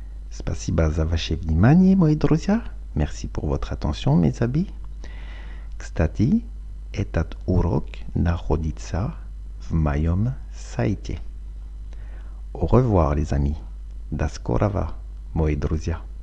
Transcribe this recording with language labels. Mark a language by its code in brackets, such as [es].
[ru] Спасибо за ваше внимание, мои друзья. [fr] Merci pour votre attention, mes amis. [ru] Кстати, этот урок находится в моем сайте. [fr] Au revoir, les amis. [ru] До скорого, мои друзья.